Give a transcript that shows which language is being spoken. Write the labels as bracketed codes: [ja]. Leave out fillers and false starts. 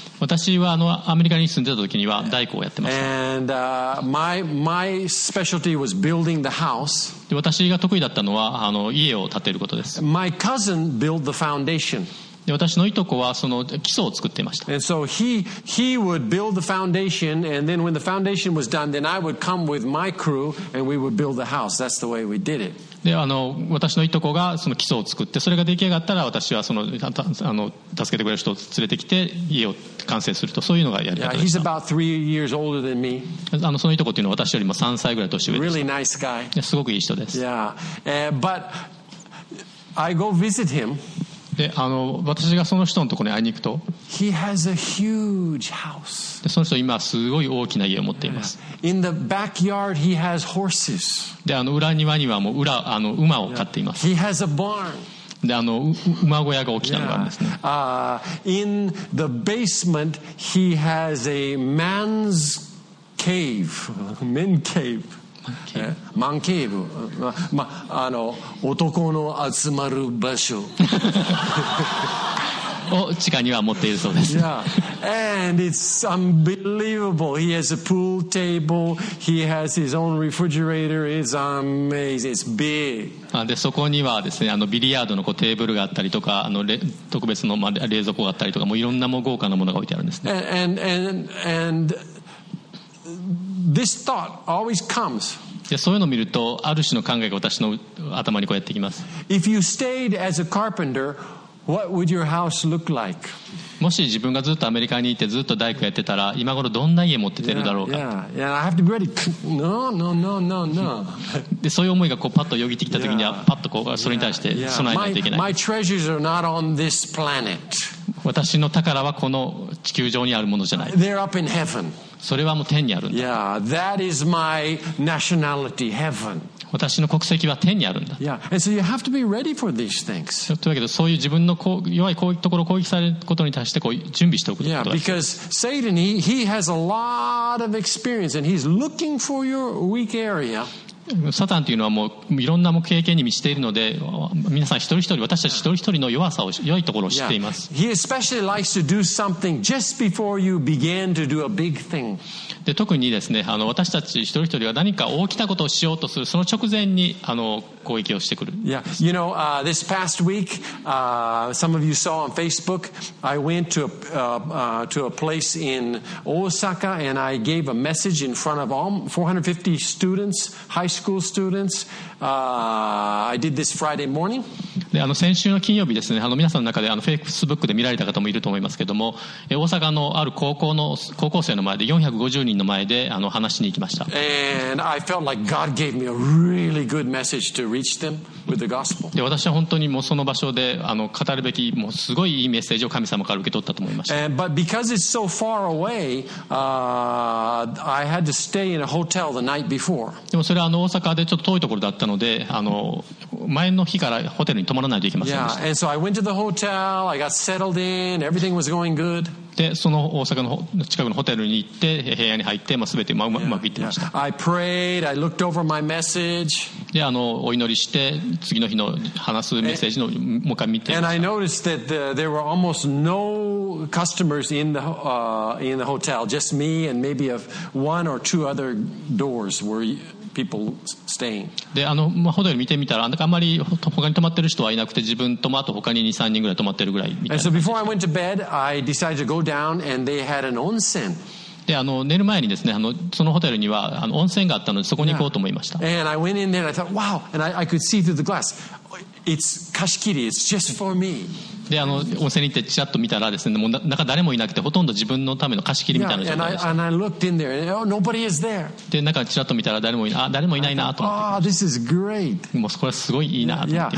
[ja] 私はアメリカに住んでた時には大工をやってました。 [en] And my specialty was building the house. [ja] で私が得意だったのは家を建てることです。 [en] My cousin built the foundation. [ja] で私のいとこはその基礎を作っていました。 [en] And so he would build the foundation, and then when the foundation was done, then I would come with my crew, and we would build the house. That's the way we did it. [ja] で私のいとこがその基礎を作って、それが出来上がったら私はその助けてくれる人を連れてきて家を完成すると、そういうのがやり方でした。 [en] Yeah, he's about 3 years older than me. [ja] そのいとこというのは私よりも3歳ぐらい年上です。 [en] Really nice guy. [ja] すごくいい人です。 [en] Yeah, but I go visit him. [ja] で私がその人のところに会いに行くと、 [en] He has a huge house. [ja] でその人今すごい大きな家を持っています。 [en] Yeah. In the backyard, he has horses. [ja] で裏庭にはもう馬を飼っています。 [en] Yeah. He has a barn. [ja] で馬小屋が大きなのがあるんですね。 [en] Yeah. In the basement, he has a man's cave, men cave. [ja] マンケーブ、ま、あの男の集まる場所を地下には持っているそうです。 [en] Yeah. And it's unbelievable. He has a pool table. He has his own refrigerator. It's amazing. It's big. [ja] で、そこにはですね、あのビリヤードのこうテーブルがあったりとか、あの特別の、ま、冷蔵庫があったりとか、もういろんなも豪華なものが置いてあるんですね。 [en] and this thought always comes. [ja] でそういうのを見るとある種の考えが私の頭にこうやってきます。 [en] If you stayed as a carpenter, what would your house look like? [ja] もし自分がずっとアメリカにいてずっと大工やってたら今頃どんな家持っててるだろうか。 [en] Yeah, I have to be ready. No. [ja] でそういう思いがこうパッとよぎってきた時にはパッとこうそれに対して備えないといけない。 [en] My treasures are not on this planet. [ja] 私の宝はこの地球上にあるものじゃない。 [en] They're up in heaven. [ja] それはもう天にあるんだ。 [en] Yeah, that is my nationality, heaven. [ja] 私の国籍は天にあるんだ。 [en] Yeah, and so you have to be ready for these things. [ja] というわけで、そういう自分のこう弱いこういうところを攻撃されることに対してこう準備しておくことが必要。 [en] Yeah, because Satan, he has a lot of experience and he's looking for your weak area. [ja] サタンというのはもういろんな経験に満ちているので、皆さん一人一人、私たち一人一人の弱さを、良いところを知っています。 [en] He especially likes to do something just before you begin to do a big thing. [ja] で、特にですね、私たち一人一人は何か大きなことをしようとする、その直前に、攻撃をしてくる。 [en] Yeah. You know, this past week, some of you saw on Facebook, I went to a place in Osaka and I gave a message in front of all 450 students, high school students. I did this Friday morning. [ja] で、先週の金曜日ですね、皆さんの中で Facebook で見られた方もいると思いますけども、大阪のある高校生の前で450人の前で話しに行きました。 [en] And I felt like God gave me a really good message to reach them with the gospel. [ja] で、私は本当にもうその場所で語るべきもうすごいいいメッセージを神様から受け取ったと思いました。 [en] And, but because it's so far away, I had to stay in a hotel the night before. [ja] でもそれは大阪でちょっと遠いところだったので、前の日からホテルに泊まらないといけませんでした。 [en] Yeah, and so I went to the hotel, I got settled in, everything was going good. [ja] で、その大阪の近くのホテルに行って、部屋に入って、まあ、全てうまくいってました。 [en] Yeah. I prayed, I looked over my message. [ja] で、お祈りして、次の日の話すメッセージのもう一回見て。 [en] And I noticed that there were almost no customers in the hotel, just me and maybe one or two other doors were... People staying. [ja] で、まあ、ホテル見てみたら、あんまり他に泊まってる人はいなくて、自分ともあと他に 2,3 人ぐらい泊まってるぐらいみたいな。 [en] And so before I went to bed, I decided to go down and they had an onsen. [ja] で、寝る前にですね、そのホテルには温泉があったので、そこに行こうと思いました。 [en] And I went in there and I thought, wow, and I could see through the glass. It's kashikiri, it's just for me. [ja] で、温泉に行ってチラッと見たらですね、もう中誰もいなくて、ほとんど自分のための貸し切りみたいな状態でした。 [en] And I looked in there, and, oh, nobody is there. [ja] で、中チラッと見たら誰もいない、誰もいないなと思って。 [en] Oh, this is great. [ja] もうこれすごいいいなと思って。